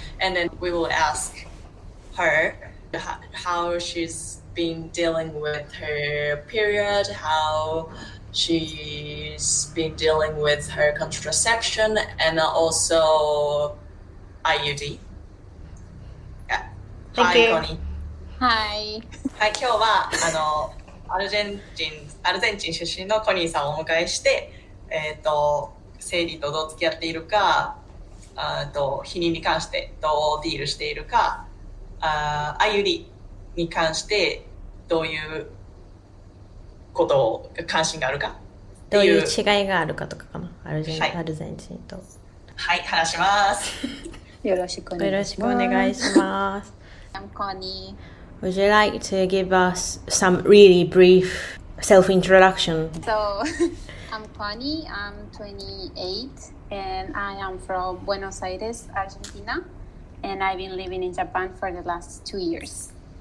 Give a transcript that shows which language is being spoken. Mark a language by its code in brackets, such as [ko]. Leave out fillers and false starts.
[en] And then we will ask her how she's been dealing with her period, how she's been dealing with her contraception, and also IUD. Yeah. Thank Hi, you. Connie. Hi. [ja] はい、今日はアルゼンチン出身のコニーさんをお迎えして、生理とどう付き合っているか、避妊に関してどうディールしているか、IUD に関してどういうことを関心があるかっていう、どういう違いがあるかとかかな、アルゼンチンと。はい、話します。よろしくお願いします。 [en] I'm Connie. Would you like to give us some really brief self-introduction? So, I'm Connie, I'm 28, and I am from Buenos Aires, Argentina, and I've been living in Japan for the last 2 years.